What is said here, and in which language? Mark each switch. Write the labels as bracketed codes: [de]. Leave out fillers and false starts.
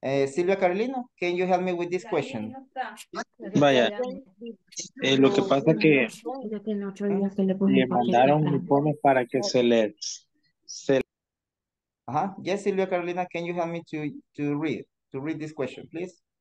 [en] Silvia Carolina, can you help me with this question? [es] Vaya, lo que pasa que le mandaron informes para que se les. [en] Yes, Silvia Carolina, can you help me to read this question, please?